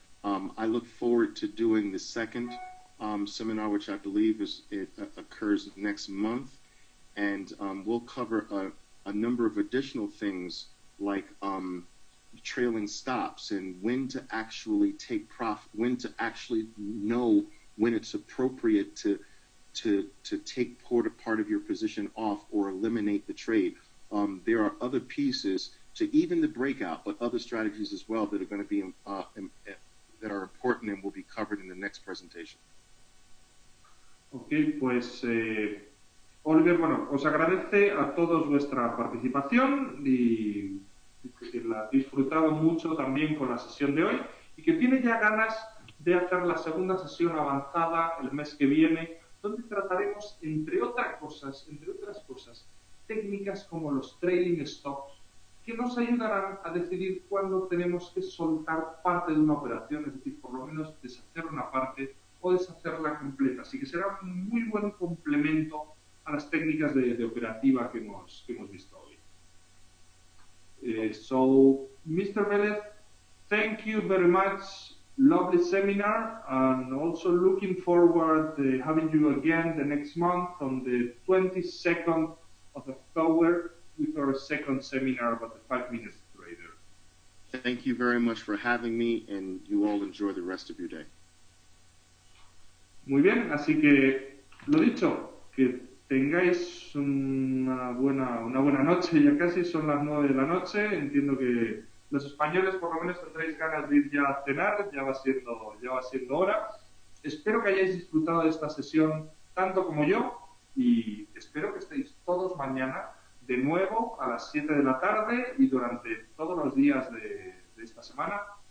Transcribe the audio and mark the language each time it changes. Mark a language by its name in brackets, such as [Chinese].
[English] I look forward to doing the second seminar, which I believe occurs next month, and we'll cover a number of additional things like trailing stops and when to actually take profit, when to actually know when it's appropriate to take part of your position off or eliminate the trade. There are other pieces to even the breakout, but other strategies as well that are going to be that are important and will be covered in the next presentation. [Spanish] Okay, pues Oliver, bueno, os agradece a todos vuestra participación y que la ha disfrutado mucho también con la sesión de hoy y que tiene ya ganas de hacer la segunda sesión avanzada el mes que viene, donde trataremos, entre otras cosas, técnicas como los trailing stops, que nos ayudarán a decidir cuándo tenemos que soltar parte de una operación, es decir, por lo menos deshacer una parte o deshacerla completa. Así que será un muy buen complemento a las técnicas de operativa que hemos visto hoy. [English] So, Mr. Velez, thank you very much. Lovely seminar, and also looking forward to having you again the next month on the 22nd of October with our second seminar about the 5 minute trader. Thank you very much for having me, and you all enjoy the rest of your day. [Spanish] Muy bien, así que lo dicho, que tengáis una buena noche. Ya casi son las 9 de la noche, entiendo que los españoles por lo menos tendréis ganas de ir ya a cenar, ya va siendo hora. Espero que hayáis disfrutado de esta sesión tanto como yo y espero que estéis todos mañana de nuevo a las 7 de la tarde y durante todos los días de esta semana.